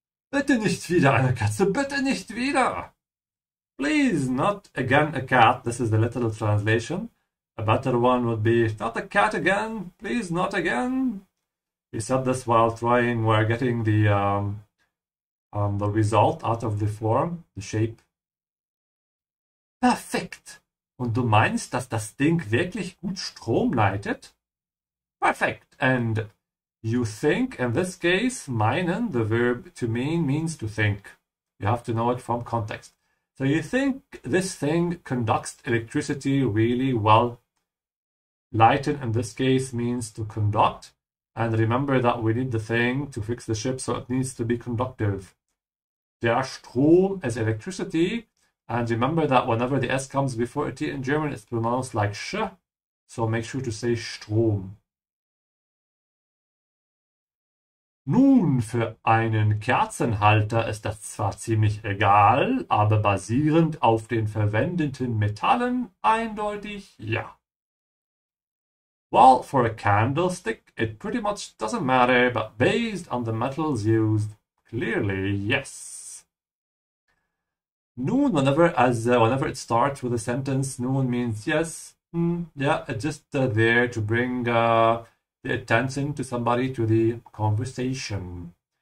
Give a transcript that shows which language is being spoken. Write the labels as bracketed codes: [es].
[de] Bitte nicht wieder eine Katze, bitte nicht wieder! [en] Please, not again a cat. This is the literal translation. A better one would be, not a cat again, please not again. He said this while trying, while getting the result out of the form, the shape. [de] Perfekt! Und du meinst, dass das Ding wirklich gut Strom leitet? [en] Perfect! And you think, in this case, meinen, the verb to mean, means to think. You have to know it from context. So you think this thing conducts electricity really well. Leiten, in this case, means to conduct. And remember that we need the thing to fix the ship, so it needs to be conductive. Der Strom is electricity. And remember that whenever the S comes before a T in German, it's pronounced like sch. So make sure to say Strom. [de] Nun, für einen Kerzenhalter ist das zwar ziemlich egal, aber basierend auf den verwendeten Metallen eindeutig ja. [en] Well, for a candlestick, it pretty much doesn't matter, but based on the metals used, clearly yes. Nun, whenever it starts with a sentence, nun means yes, yeah, just there to bring the attention to somebody, to the conversation.